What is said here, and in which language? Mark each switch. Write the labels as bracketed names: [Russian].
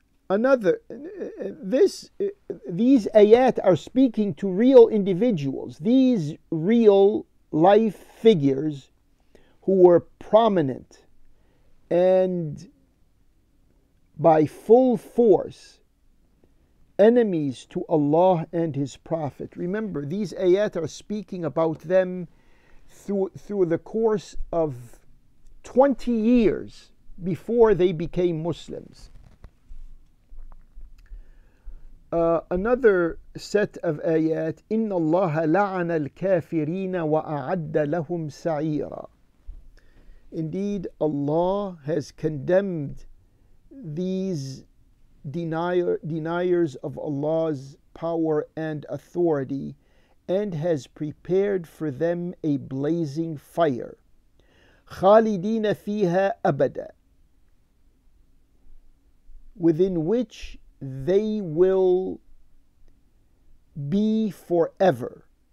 [English] These ayat are speaking to real individuals, these real life figures who were prominent and by full force enemies to Allah and His Prophet. Remember, these ayat are speaking about them through the course of 20 years before they became Muslims. Another set of ayat, [Arabic] إِنَّ اللَّهَ لَعَنَ الْكَافِرِينَ وَأَعَدَّ لَهُمْ سَعِيرًا. [English] Indeed, Allah has condemned these deniers of Allah's power and authority and has prepared for them a blazing fire. [Arabic] خَالِدِينَ فِيهَا أَبَدًا, [English] within which they will be forever.